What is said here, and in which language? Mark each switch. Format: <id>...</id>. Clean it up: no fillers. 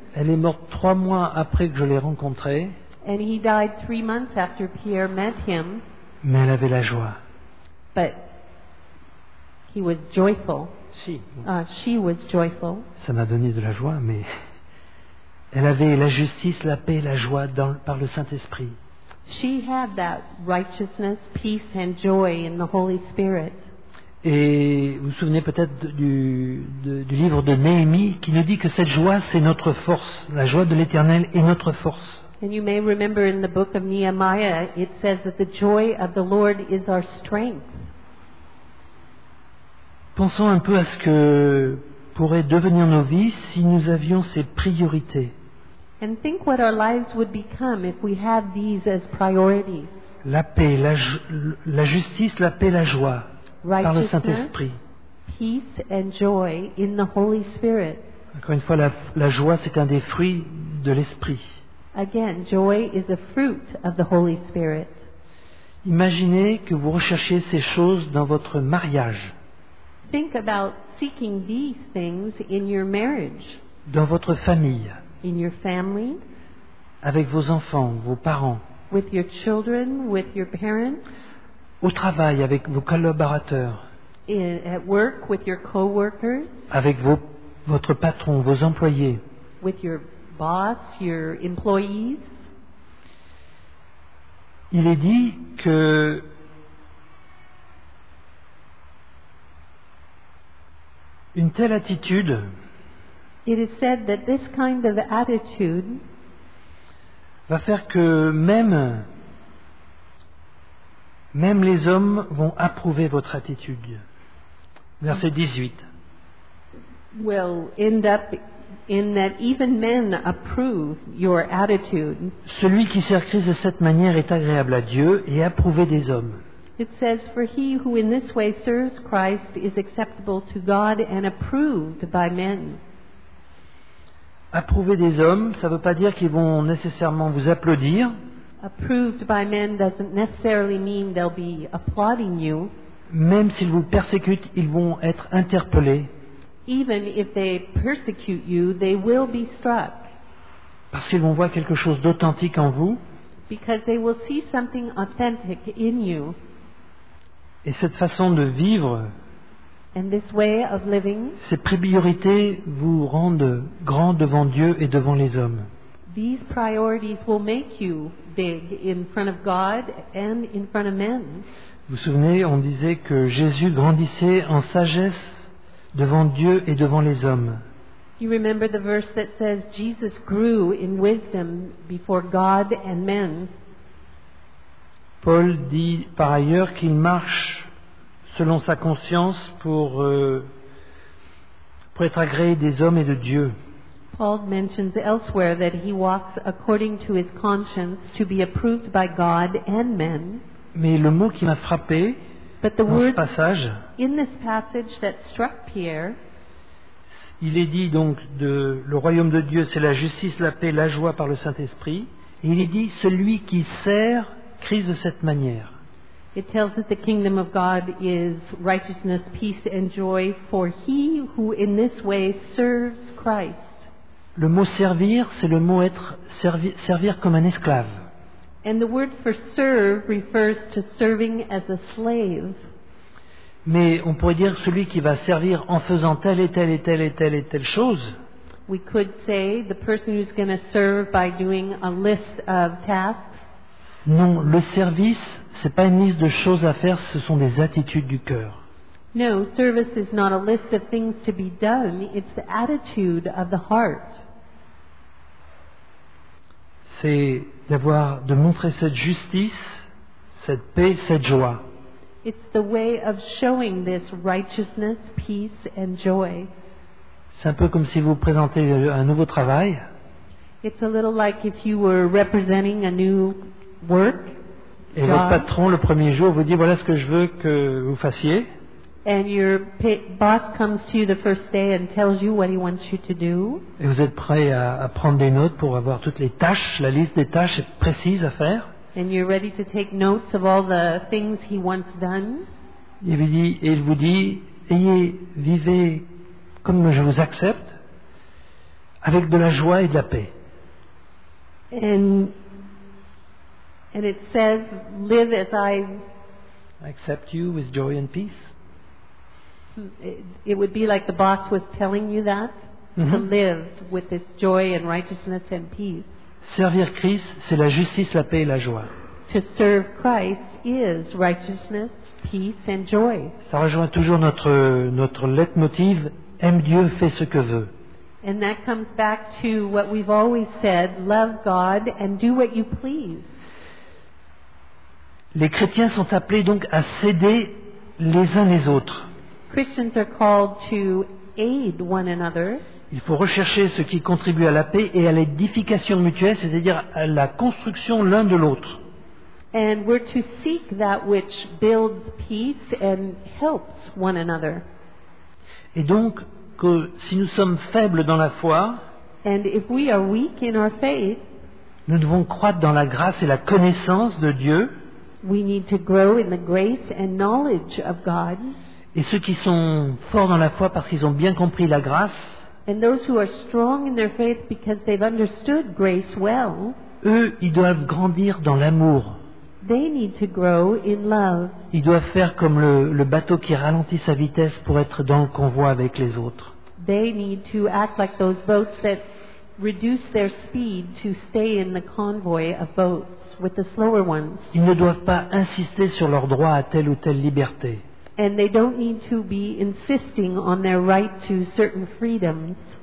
<fr>Elle est morte 3 mois après que je l'ai rencontrée.</fr> <en>And he died 3 months after Pierre met him.</en> <fr>Mais elle avait la joie.</fr> <en>But he was joyful. She was joyful.</en> <fr>Ça m'a donné de la joie, mais elle avait la justice, la paix, la joie dans, par le Saint-Esprit.</fr> <en>She had that righteousness, peace and joy in the Holy Spirit.</en> <fr>Et vous vous souvenez peut-être du livre de Néhémie qui nous dit que cette joie, c'est notre force. La joie de l'Éternel est notre force.</fr> <en>And you may remember in the book of Nehemiah, it says that the joy of the Lord is our strength.</en> <fr>Pensons un peu à ce que pourraient devenir nos vies si nous avions ces priorités.</fr> <en>And think what our lives would become if we had these as priorities.</en> <fr>La paix, la justice, la paix, la joie. Par le Saint-Esprit.</fr> <en>Peace and joy in the Holy Spirit.</en> <fr>Encore une fois, la joie, c'est un des fruits de l'Esprit.</fr> <en>Again, joy is a fruit of the Holy Spirit.</en> <fr>Imaginez que vous recherchiez ces choses dans votre mariage.</fr> <en>Think about seeking these things in your marriage.</en> <fr>Dans votre famille.</fr> <en>In your family.</en> <fr>Avec vos enfants, vos parents.</fr> <en>With your children, with your parents.</en> <fr>Au travail, avec vos collaborateurs.</fr> <en>At work, with your co-workers.</en> <fr>Avec votre patron, vos employés.</fr> <en>With your boss, your employees.</en> <fr>Il est dit que une telle attitude,</fr> <en>it is said that this kind of attitude</en> <fr>va faire que même les hommes vont approuver votre attitude. Verset 18.</fr> <en>Will end up in that even men approve your attitude.</en> <fr>Celui qui sert Christ de cette manière est agréable à Dieu et approuvé des hommes.</fr> <en>It says, for he who in this way serves Christ is acceptable to God and approved by men.</en> <fr>Approuver des hommes, ça ne veut pas dire qu'ils vont nécessairement vous applaudir.</fr> <en>Approved by men doesn't necessarily mean they'll be applauding you.</en> <fr>Même s'ils vous persécutent, ils vont être interpellés.</fr> <en>Even if they persecute you, they will be struck.</en> <fr>Parce qu'ils vont voir quelque chose d'authentique en vous.</fr> <en>Because they will see something authentic in you.</en> <fr>Et cette façon de vivre,</fr> <en>and this way of living,</en> <fr>ces priorités vous rendent grand devant Dieu et devant les hommes.</fr> <en>These priorities will make you big in front of God and in front of men.</en> <fr>Vous vous souvenez, on disait que Jésus grandissait en sagesse devant Dieu et devant les hommes.</fr> <en>You remember the verse that says Jesus grew in wisdom before God and men.</en> <fr>Paul dit par ailleurs qu'il marche selon sa conscience pour être agréé des hommes et de Dieu.</fr> <en>Paul mentions elsewhere that he walks according to his conscience to be approved by God and men.</en> <fr>Mais le mot qui m'a frappé dans ce passage,</fr> <en>in this passage that struck Pierre,</en> <fr>il est dit donc de le royaume de Dieu, c'est la justice, la paix, la joie par le Saint-Esprit. Et il est dit celui qui sert Christ de cette manière.</fr> <en>It tells that the kingdom of God is righteousness, peace and joy for he who in this way serves Christ.</en> <fr>Le mot servir, c'est le mot être servir comme un esclave.</fr> <en>And the word for serve refers to serving as a slave.</en> <fr>Mais on pourrait dire celui qui va servir en faisant telle et telle et telle et telle et telle chose.</fr> <en>We could say the person who's going to serve by doing a list of tasks.</en> <fr>Non, le service, c'est pas une liste de choses à faire, ce sont des attitudes du cœur.</fr> <en>No, service is not a list of things to be done. It's the attitude of the heart.</en> <fr>C'est de montrer cette justice, cette paix, cette joie.</fr> <en>It's the way of showing this righteousness, peace and joy.</en> <fr>C'est un peu comme si vous présentez un nouveau travail.</fr> <en>It's a little like if you were representing a new work.</en> <fr>Et votre patron le premier jour vous dit voilà ce que je veux que vous fassiez.</fr> <en>And your boss comes to you the first day and tells you what he wants you to do.</en> <fr>Et vous êtes prêt à prendre des notes pour avoir toutes les tâches, la liste des tâches précises à faire.</fr> <en>And you're ready to take notes of all the things he wants done.</en> <fr>Il vous dit, vivez comme je vous accepte, avec de la joie et de la paix.</fr> <en>And it says, live as I accept you with joy and peace. It would be like the boss was telling you that, mm-hmm. to live with this joy and righteousness and peace.</en> <fr>Servir Christ, c'est la justice, la paix et la joie.</fr> <en>To serve Christ is righteousness, peace and joy.</en> <fr>Ça rejoint toujours notre leitmotiv, aime Dieu, fais ce que veut.</fr> <en>And that comes back to what we've always said, love God and do what you please.</en> <fr>Les chrétiens sont appelés donc à s'aider les uns les autres.</fr> <en>Christians are called to aid one another.</en> <fr>Il faut rechercher ce qui contribue à la paix et à l'édification mutuelle, c'est-à-dire à la construction l'un de l'autre.</fr> <en>And we're to seek that which builds peace and helps one another.</en> <fr>Et donc, que si nous sommes faibles dans la foi,</fr> <en>and if we are weak in our faith,</en> <fr>nous devons croître dans la grâce et la connaissance de Dieu.</fr> <en>We need to grow in the grace and knowledge of God.</en> <fr>Et ceux qui sont forts dans la foi parce qu'ils ont bien compris la grâce,</fr> <en>and those who are strong in their faith because they've understood grace well,</en> <fr>eux, ils doivent grandir dans l'amour.</fr> <en>They need to grow in love.</en> <fr>Ils doivent faire comme le bateau qui ralentit sa vitesse pour être dans le convoi avec les autres.</fr> <en>They need to act like those boats that reduce their speed to stay in the convoy of boats with the slower ones.</en> <fr>Ils ne doivent pas insister sur leur droit à telle ou telle liberté.</fr> <en>And they don't need to be insisting on their right to certain freedoms.</en>